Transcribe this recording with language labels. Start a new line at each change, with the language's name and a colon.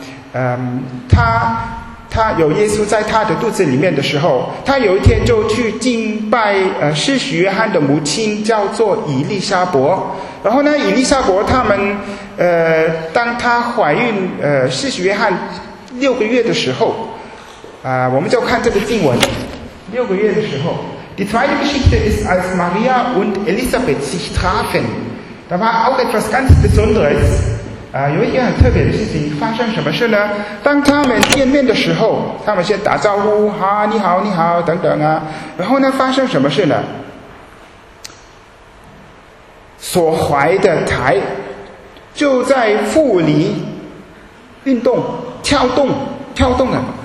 Chinese: 他有耶稣在他的肚子里面的时候，他有一天就去敬拜施洗约翰的母亲，叫做以利沙伯。然后呢，以利沙伯他们当他怀孕施洗约翰六个月的时候，我们就看这个经文。六个月的时候
German: ，Die zweite Geschichte ist, als Maria und Elisabeth sich trafen, da war auch etwas ganz Besonderes.
Chinese: 有一件很特别的事情发生，什么事呢？当他们见面的时候，他们先打招呼，哈，你好，你好，等等啊。然后呢，发生什么事呢？所怀的胎就在腹里运动、跳动、跳动了。